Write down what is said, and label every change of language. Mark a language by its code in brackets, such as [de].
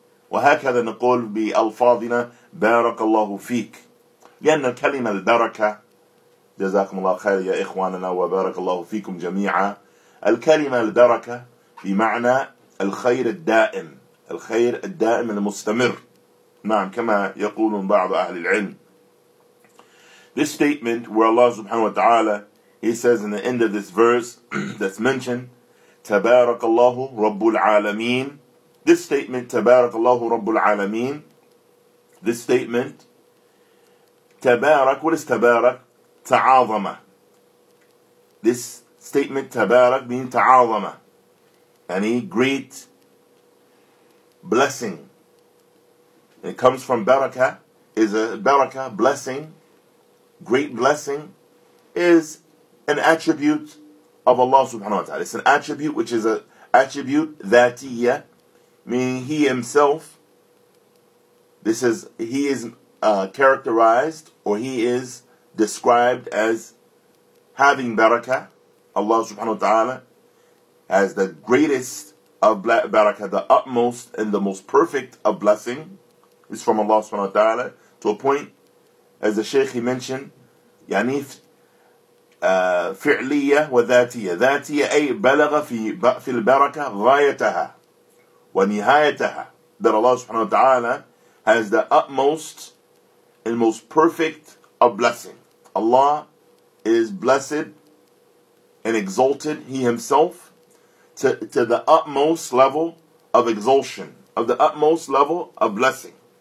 [ar] وهكذا نقول بألفاظنا بارك الله فيك، لأن الكلمة البركة جزاكم الله خير يا إخواننا وبارك الله فيكم جميعا، الكلمة البركة بمعنى الخير الدائم، الخير الدائم المستمر. نعم، كما يقولون بعض أهل العلم. [en] This statement where Allah subhanahu wa ta'ala, he says in the end of this verse that's mentioned, [ar] تبارك الله رب العالمين. [en] This statement, [ar] تبارك الله رب العالمين. [en] This statement, تبارك, what is تبارك? [ar] تعاظم. [en] This statement, تبارك, means تعاظم. Any great blessing. It comes from baraka, is a baraka, blessing. Great blessing is an attribute of Allah subhanahu wa ta'ala. It's an attribute which is an attribute ذاتية, meaning He Himself. This is, He is characterized or He is described as having barakah. Allah subhanahu wa ta'ala has the greatest of barakah, the utmost and the most perfect of blessing is from Allah subhanahu wa ta'ala, to a point, as the Shaykh he mentioned, [ar] يعني فعلية وذاتية. ذاتية أي بلغ في البركة غايتها ونهايتها. [en] That Allah subhanahu wa ta'ala has the utmost and most perfect of blessing. Allah is blessed and exalted, He Himself, to the utmost level of exaltation, of the utmost level of blessing.